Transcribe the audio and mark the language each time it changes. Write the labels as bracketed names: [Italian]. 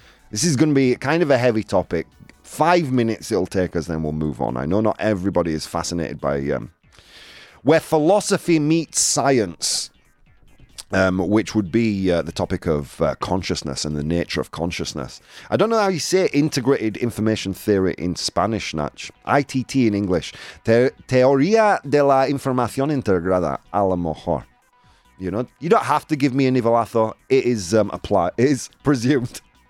[English] This is going to be kind of a heavy topic. 5 minutes it'll take us, then we'll move on. I know not everybody is fascinated by where philosophy meets science, which would be the topic of consciousness and the nature of consciousness. I don't know how you say integrated information theory in Spanish, Natch. ITT in English. [Spanish] Teoría de la información integrada, a lo mejor. [English] You know, you don't have to give me a nivelazo. It is presumed.